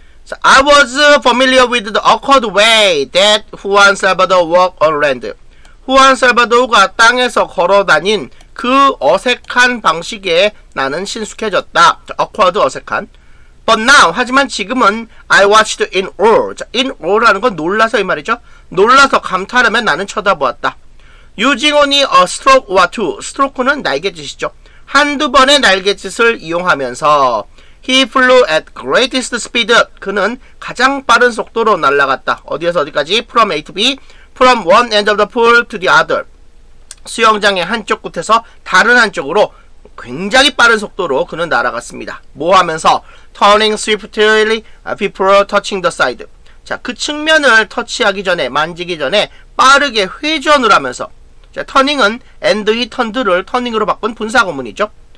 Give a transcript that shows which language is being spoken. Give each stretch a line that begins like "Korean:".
English: So, I was familiar with the awkward way that Juan Salvador walked on land.
Korean: 후안 살바도르가 땅에서 걸어다닌 그 어색한 방식에 나는 친숙해졌다.
English: awkward, 어색한. But now,
Korean: 하지만 지금은
English: I watched in awe.
Korean: in awe라는 건 놀라서 이 말이죠. 놀라서 감탄하며 나는 쳐다보았다.
English: Using only a stroke or two.
Korean: stroke는 날갯짓이죠. 한두 번의 날갯짓을 이용하면서
English: He flew at greatest speed.
Korean: 그는 가장 빠른 속도로 날아갔다. 어디에서 어디까지?
English: From A to B. From one end of the pool to the other.
Korean: 수영장의 한쪽 끝에서 다른 한쪽으로 굉장히 빠른 속도로 그는 날아갔습니다. 뭐 하면서?
English: Turning swiftly before touching the side.
Korean: 자, 그 측면을 터치하기 전에, 만지기 전에 빠르게 회전을 하면서. 자, turning은
English: and he turned
Korean: 를 turning으로 바꾼 분사구문이죠.